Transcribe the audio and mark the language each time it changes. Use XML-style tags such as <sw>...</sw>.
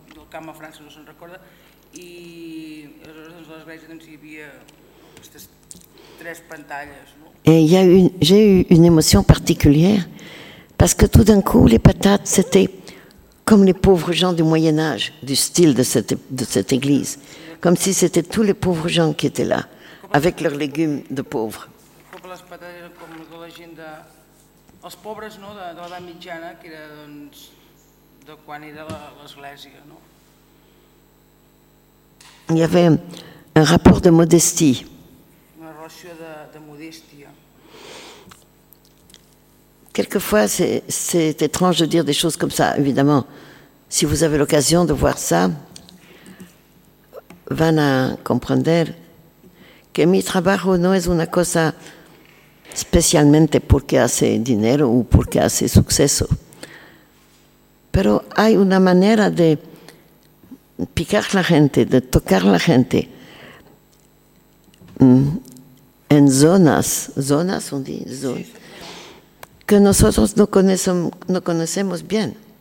<ca>Camp a França, no se'n recorda, i aleshores doncs, a l'església doncs, hi havia aquestes tres pantalles. No?</ca> <fr>Y a une, j'ai eu une émotion particulière parce que tout d'un coup, les patates, c'était comme les pauvres gens du Moyen-Âge, du style de cette église, comme si c'était tous les pauvres gens qui étaient là, avec leurs légumes de pauvres.</fr> <ca>Les patates eren com de la gent de... Els pobres, no?, de l'edat mitjana, que era, doncs, de quan era l'església, no?</ca> <fr>Il y avait un rapport de modestie. Une relation de modestie. Quelquefois, c'est étrange de dire des choses comme ça. Évidemment, si vous avez l'occasion de voir ça,</fr> <es>van a comprender que mi trabajo no es una cosa especialmente porque hace dinero o porque hace suceso. Pero hay una manera de picar la gente, de tocar la gente en zonas,</es> <fr>on dit,</fr> <es>zonas, que nosotros no conocemos bien.</es>